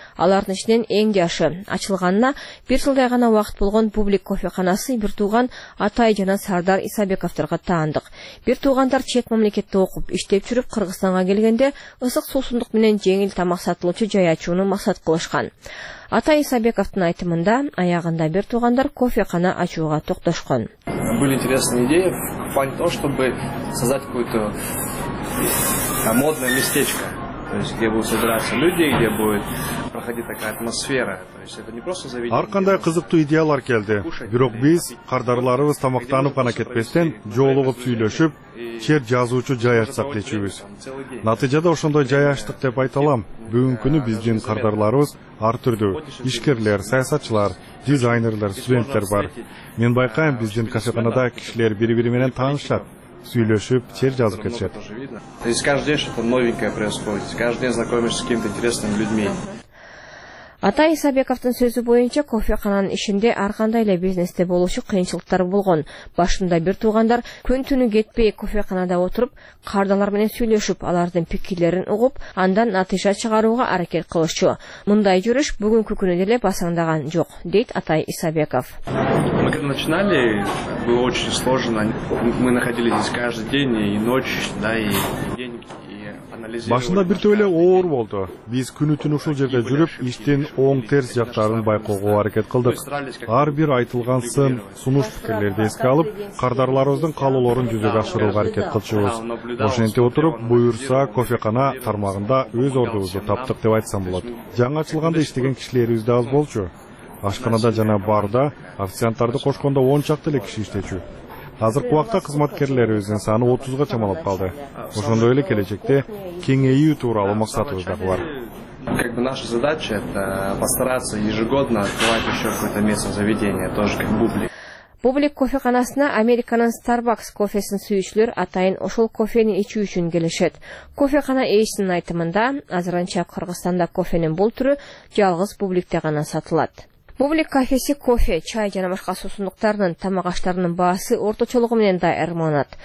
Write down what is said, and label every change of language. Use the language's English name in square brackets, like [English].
[Kyrgyz] Алардын ичинен эң жашы ачылганына бир жылдай гана убакыт болгон бублик кофеканасы бир тууган Атай жана Сардар Исабековдорго таандык. Бир туугандар чет мамлекетте окуп иштеп жүрүп Кыргызстанга келгенде ысык суусундук менен жеңил тамак сатылуучу жай ачууну максат кылышкан. Атай Исабековдун айтымында аягында бир туугандар кофекана ачууга токтошкон. [Russian] Были интересные идеи в плане того, чтобы создать какое-то модное местечко. То есть, где будут собираться люди, где будет проходить такая атмосфера. [Kyrgyz] Ар кандай кызыктуу идеялар келди. Бирок биз кардарларыбыз тамактанып гана кетпестен, жолугуп сүйлөшүп, чер жазуучу жай ачсак дечүбүз. Натыйжада ошондой жай ачтык деп айта алам. Бүгүнкү биздин кардарларыбыз ар түрдүү: ишкерлер, саясатчылар, дизайнерлер, студенттер бар. Мен байкайм, биздин кофеканада кишилер бири-бири менен таанышат, сүйлөшүп, чер жазып кетишет. [Russian] То есть каждый день что-то новенькое происходит. Каждый день знакомишься с какими-то интересными людьми. [Kyrgyz] Атай Исабековдун сөзү боюнча кофекананын ишинде ар кандай эле бизнесте болушу кыйынчылыктар болгон. Башында бир туугандар күн түнү кетпей кофеканада отуруп, кардарлар менен сүйлөшүп, алардын пикирлерин угуп, андан натыйжа чыгарууга аракет кылышчу. Мындай жүрүш бүгүнкү күнү деле басаңдаган жок, дейт Атай Исабеков. [Russian] Мы когда начинали, было очень сложно. Мы находились здесь каждый день и ночь, да, и день. [Kyrgyz] Башында бир топ эле оор болду. Биз күнү-түнү ушул жерде жүрүп, иштин оң терс жактарын байкоого аракет кылдык. Ар бир айтылган сын, сунуш пикирлерди эске алып, кардарларыбыздын каалоолорун жүзөгө ашырууга аракет кылчубуз. Ошентип отуруп, буюрса кофекана тармагында өз ордубузду таптык деп айтсам болот. Жаңы ачылганда иштеген кишилерибиз да аз болчу. Ашканада жана барда официанттарды кошкондо 10 чакты эле киши иштечү. Азыркы убакта кызматкерлерибиздин саны 30 чамалап калды. Ошондой эле келечекте кеңейүү тууралуу максатыбыз да бар. [Russian] Как бы наша задача это постараться ежегодно открывать ещё какое-то место заведения, тоже как бублик. [Kyrgyz] Бублик кофеканасына Американын Starbucks кофесин сүйүүчүлөр атайын ошол кофени ичүү үчүн келишет. Кофекана ээсинин айтымында, азырынча Кыргызстанда кофенин бул түрү жалгыз бубликте гана сатылат. Бублик кафеси кофе, чай жана башка суусундуктардын тамак аштарынын баасы орточолугу менен да айырмаланат.